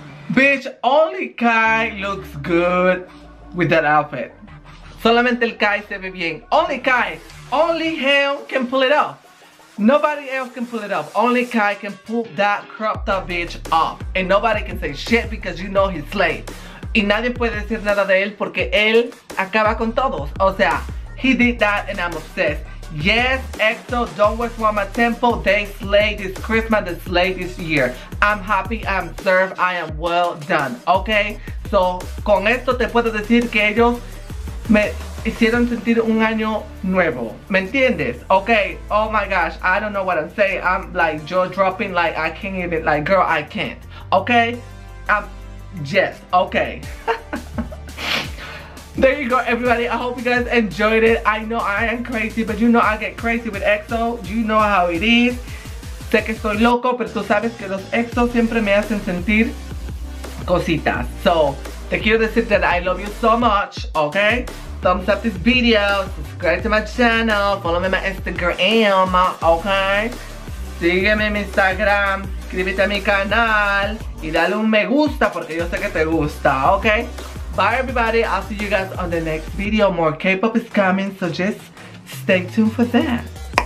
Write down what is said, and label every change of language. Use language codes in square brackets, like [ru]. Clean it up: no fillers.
[en] Bitch, only Kai looks good with that outfit. [es] Solamente el Kai se ve bien. [en] Only Kai, only him can pull it off. Nobody else can pull it off. Only Kai can pull that cropped up bitch off. And nobody can say shit because you know he's slave. [es] Y nadie puede decir nada de él porque él acaba con todos. O sea, [en] he did that and I'm obsessed. Yes, Exo, don't waste one my tempo. They slay this Christmas, they slay this year. I'm happy, I'm served, I am well done. Okay? [es] So, con esto te puedo decir que ellos me hicieron sentir un año nuevo. ¿Me entiendes? [en] Okay, oh my gosh, I don't know what I'm saying. I'm like jaw dropping, like I can't even, like girl, I can't. Okay? Yes, okay. There you go, everybody. I hope you guys enjoyed it. I know I am crazy, but you know I get crazy with EXO. You know how it is. [es] Sé que estoy loco, pero tú sabes que los EXO siempre me hacen sentir cositas. [en] So, [es] te quiero decir [en] that I love you so much, okay? Thumbs up this video, subscribe to my channel, follow me on my Instagram, okay? [es] Sígueme en mi Instagram. Suscríbete a mi canal y dale un me gusta porque yo sé que te gusta, ¿ok? [en] Bye, everybody. I'll see you guys on the next video. More K-pop is coming, so just stay tuned for that.